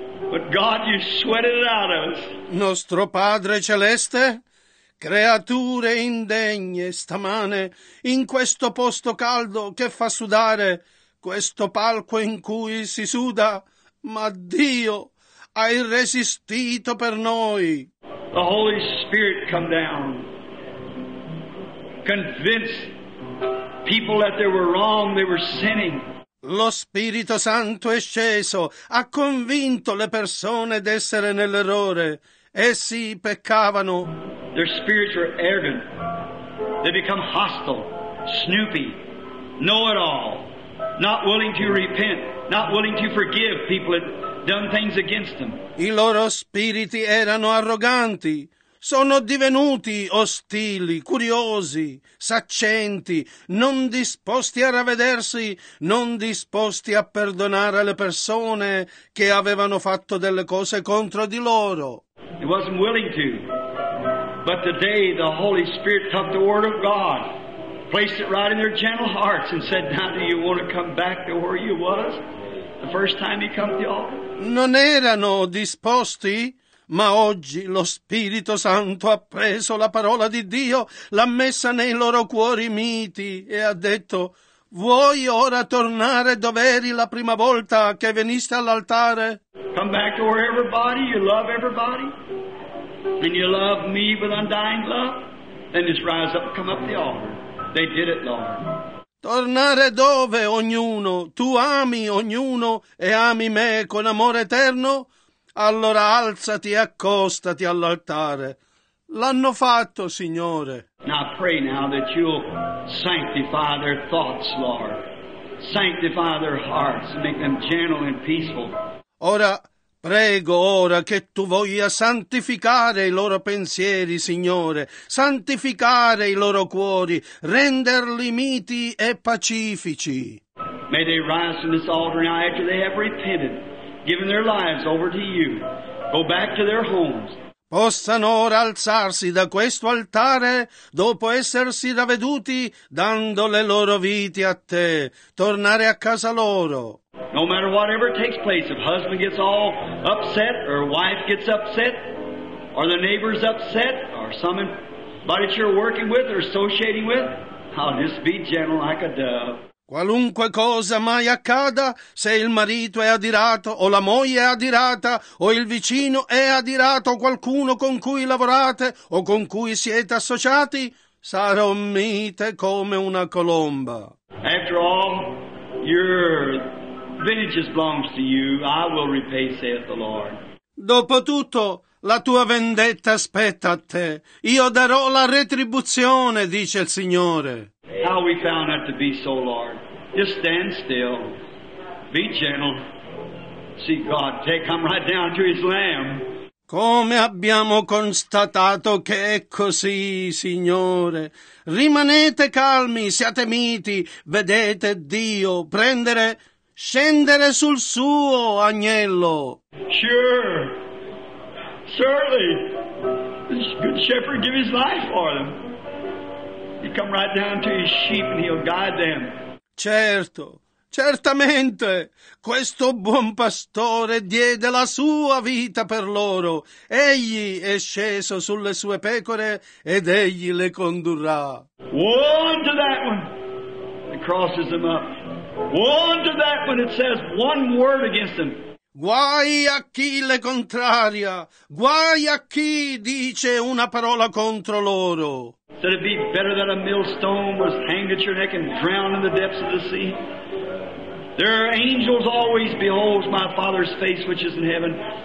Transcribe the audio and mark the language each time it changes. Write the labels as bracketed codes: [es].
[en] But God, you sweated it out of us. [it] Nostro Padre Celeste, creature indegne, stamane, in questo posto caldo che fa sudare, questo palco in cui si suda, ma Dio, hai resistito per noi. [en] The Holy Spirit come down. Convince people that they were wrong, they were sinning. [it] Lo Spirito Santo è sceso, ha convinto le persone d'essere nell'errore. Essi peccavano. [en] Their spirits were arrogant. They become hostile, snoopy, know-it-all, not willing to repent, not willing to forgive people that done things against them. [it] I loro spiriti erano arroganti. Sono divenuti ostili, curiosi, saccenti, non disposti a ravvedersi, non disposti a perdonare le persone che avevano fatto delle cose contro di loro. [en] He wasn't willing to, but today the Holy Spirit took the word of God, placed it right in their gentle hearts and said, now do you want to come back to where you was the first time you come to the altar? [it] Non erano disposti. Ma oggi lo Spirito Santo ha preso la parola di Dio, l'ha messa nei loro cuori miti e ha detto, vuoi ora tornare dove eri la prima volta che veniste all'altare? [en] Come back to where everybody, you love everybody, and you love me with undying love, then just rise up and come up the altar. They did it, Lord. [it] Tornare dove ognuno, tu ami ognuno e ami me con amore eterno? Allora alzati e accostati all'altare. L'hanno fatto, Signore. [en] Now pray now that you'll sanctify their thoughts, Lord. Sanctify their hearts, make them gentle and peaceful. [it] Ora prego ora che tu voglia santificare i loro pensieri, Signore, santificare i loro cuori, renderli miti e pacifici. [en] May they rise from this altar now after they have repented. Given their lives over to you. Go back to their homes. [it] Possano ora alzarsi da questo altare dopo essersi ravveduti dando le loro vite a te, tornare a casa loro. [en] No matter whatever takes place, if husband gets all upset or wife gets upset or the neighbor's upset or some Somebody you're working with or associating with, I'll just be gentle like a dove. [it] Qualunque cosa mai accada, se il marito è adirato, o la moglie è adirata, o il vicino è adirato, o qualcuno con cui lavorate, o con cui siete associati, sarò mite come una colomba. [en] After all, your vintages belongs to you. I will repay, saith the Lord. [it] Dopotutto, la tua vendetta spetta a te. Io darò la retribuzione, dice il Signore. [en] How we found that to be so, Lord. Just stand still. Be gentle. See God take him right down to his lamb. [it] Come abbiamo constatato che è così, Signore. Rimanete calmi, siate miti. Vedete Dio prendere, scendere sul suo agnello. [en] Sure. Surely. The good shepherd give his life for them. He come right down to his sheep and he'll guide them. [it] Certo, certamente, questo buon pastore diede la sua vita per loro. Egli è sceso sulle sue pecore ed egli le condurrà. [en] Woe unto that one that crosses them up. Woe unto that one that says one word against them. [it] Guai a chi le contraria, guai a chi dice una parola contro loro. [en] Said it'd be better that a millstone was hanged at your neck and drowned in the depths of the sea. There are angels always beholds my Father's face which is in heaven.